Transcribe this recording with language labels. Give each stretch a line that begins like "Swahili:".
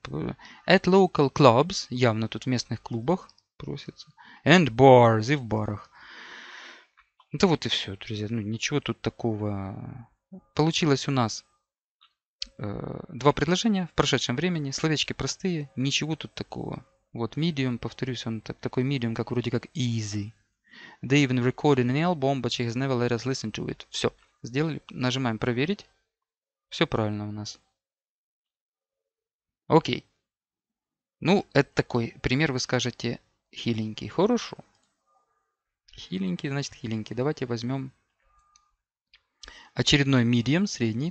English: At local clubs,
Russian: явно тут в местных клубах просится.
English: And bars,
Russian: и в барах. Да вот и все, друзья. Ну, ничего тут такого. Получилось у нас два предложения в прошедшем времени. Словечки простые, ничего тут такого. Вот medium, повторюсь, он такой medium, как вроде как easy.
English: They even recorded an album, but she has never let us listen to it.
Russian: Все, сделали, нажимаем проверить. Все правильно у нас. Окей. Ну, это такой пример, вы скажете, хиленький. Хорошо. Хиленький, значит хиленький. Давайте возьмем очередной medium, средний.